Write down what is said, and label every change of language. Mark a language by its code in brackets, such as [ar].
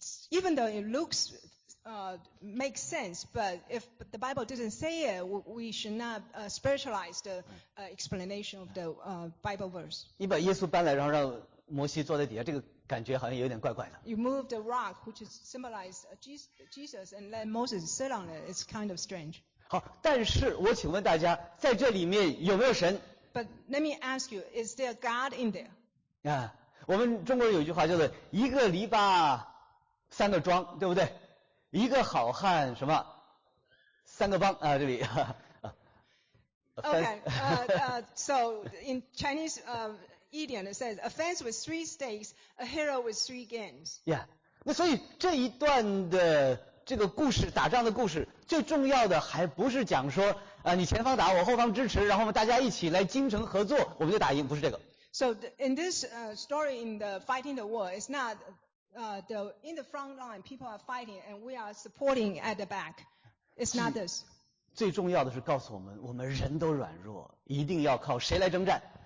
[en] Even though it looks makes sense, but if the Bible doesn't say it, we should not spiritualize the explanation of the Bible verse. [zh] 你把耶稣搬来，然后让摩西坐在底下，这个感觉好像有点怪怪的。 [en] You move the rock, which is symbolized Jesus, and let Moses sit on it. It's kind of strange. [zh] 好，但是我请问大家，在这里面有没有神？ [en] But let me ask you, is there God in there? [zh] 啊，我们中国人有句话叫做一个篱笆三个桩，对不对？一个好汉什么三个帮啊，这里。 [en] OK, so in Chinese idiom it says, a fence with three stakes, a hero with three games. [zh] Yeah, 那所以这一段的这个故事，打仗的故事，最重要的还不是讲说你前方打我后方支持，然后我们大家一起来精诚合作我们就打赢，不是这个。 [en] So in this story in the fighting the war, it's not... in the front line, people are fighting, and we are supporting at the back. It's not this. [zh] 最重要的是告诉我们，我们人都软弱，一定要靠谁来征战？